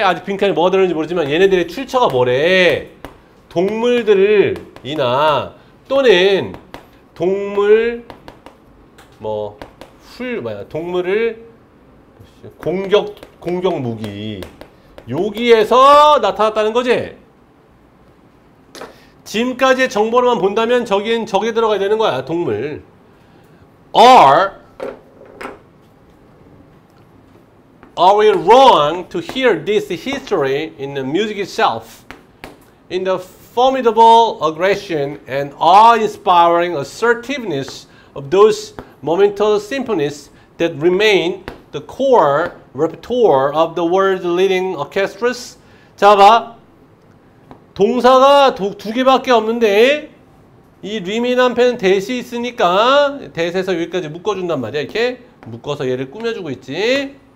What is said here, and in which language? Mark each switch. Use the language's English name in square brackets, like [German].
[Korean] 아직 빈칸이 뭐가 들었는지 모르지만 얘네들의 출처가 뭐래? 동물들이나 또는 동물 뭐 훌 뭐야 동물을 공격 무기 여기에서 나타났다는 거지. 지금까지의 정보로만 본다면 저긴 저기에 들어가야 되는 거야. 동물 [English] are we wrong to hear this history in the music itself in the formidable aggression and awe-inspiring assertiveness of those monumental symphonies that remain the core repertoire of the world's leading orchestras. [Korean] 자, 봐. 동사가 두 개밖에 없는데 이 리민 앞에는 대시 있으니까 대시에서 여기까지 묶어준단 말이야. 이렇게 묶어서 얘를 꾸며주고 있지.